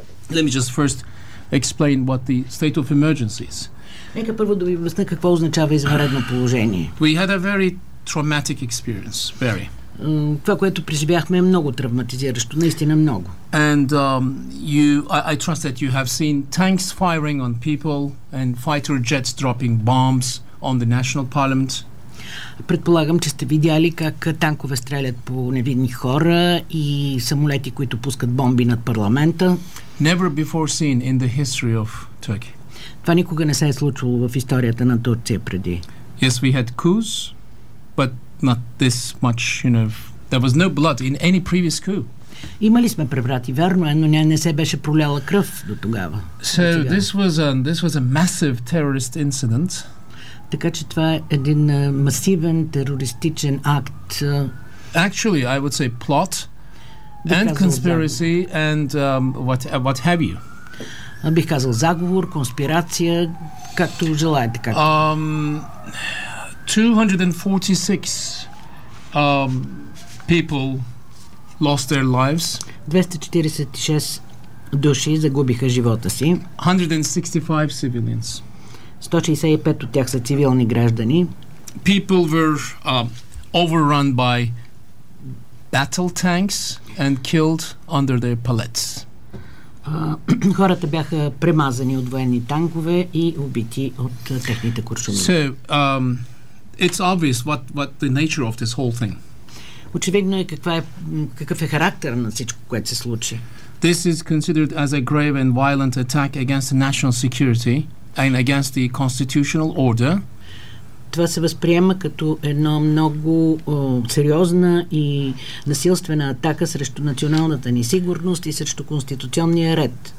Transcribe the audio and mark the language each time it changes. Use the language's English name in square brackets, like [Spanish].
[English] Let me just first explain what the state of emergency is. [Bulgarian] Нека първо да ви обясня какво означава извънредно положение. [English] We had a very traumatic experience, very. [Bulgarian] Това, което преживяхме е много травматизиращо, наистина много. [English] And I trust that you have seen tanks firing on people and fighter jets dropping bombs on the National Parliament. [Bulgarian] Предполагам, че сте видяли как танкове стрелят по невинни хора и самолети, които пускат бомби над парламента. [English] Never before seen in the history of Turkey. [Bulgarian] Това никога не се е случвало в историята на Турция преди. [English] Yes, we had coups, but not this much, you know. There was no blood in any previous coup. [Bulgarian] Имали сме преврати, верно, но не се беше проляла кръв до тогава. [English] So this was a massive terrorist incident. [Bulgarian] Така че това е един масивен терористичен акт. [English] Actually, I would say plot and conspiracy and what have you. [Bulgarian] Бих казал заговор, конспирация, както желаете. [English] 246 people lost their lives. [Bulgarian] 246 души загубиха живота си. [English] 165 civilians. [Bulgarian] 165 от тях са цивилни граждани. [English] People were overrun by battle tanks and killed under their pallets. [Bulgarian] Хората бяха премазани от военни танкове и убити от техните куршуми. [English] So, it's obvious what the nature of this whole thing. [Bulgarian] Очевидно е какъв е характер на всичко, което се случи. [English] This is considered as a grave and violent attack against the national security and against the constitutional order. [Bulgarian] Това се възприема като едно много сериозна и насилствена атака срещу националната ни сигурност и срещу конституционния ред.